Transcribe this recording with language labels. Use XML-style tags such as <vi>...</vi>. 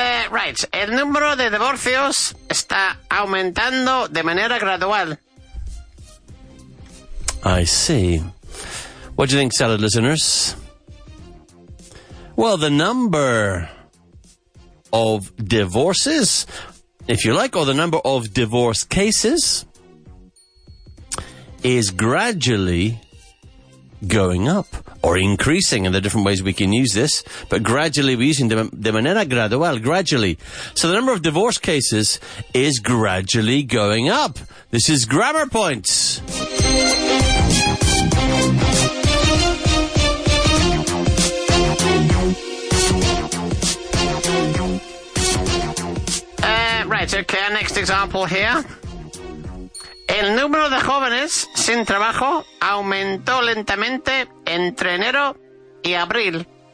<en>Right,</en> <es>el número de divorcios está aumentando de manera gradual.</es> <en>I see. What do you think, salad listeners? Well, the number of divorces, if you like, or the number of divorce cases, is gradually going up or increasing. And there are different ways we can use this, but gradually, we're using</en> <es>de manera gradual,</es> <en>gradually. So the number of divorce cases is gradually going up. This is Grammar Points. Right, okay, next example here.</en> <es>El número de jóvenes sin trabajo aumentó lentamente entre enero y abril.</es>